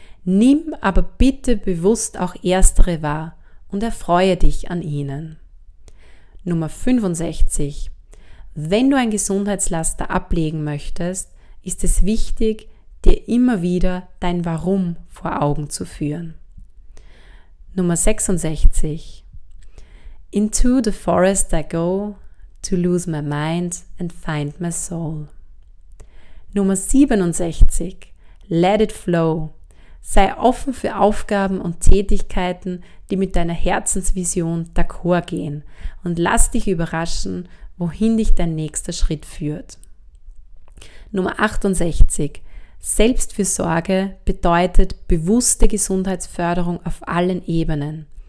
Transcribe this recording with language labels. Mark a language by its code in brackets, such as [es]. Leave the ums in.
[de] Nimm aber bitte bewusst auch erstere wahr und erfreue dich an ihnen. Nummer 65. Wenn du ein Gesundheitslaster ablegen möchtest, ist es wichtig, dir immer wieder dein Warum vor Augen zu führen. Nummer 66. [en] Into the forest I go to lose my mind and find my soul. [de] Nummer 67. [en] Let it flow. [de] Sei offen für Aufgaben und Tätigkeiten, die mit deiner Herzensvision d'accord gehen und lass dich überraschen, wohin dich dein nächster Schritt führt. Nummer 68. Selbstfürsorge bedeutet bewusste Gesundheitsförderung auf allen Ebenen.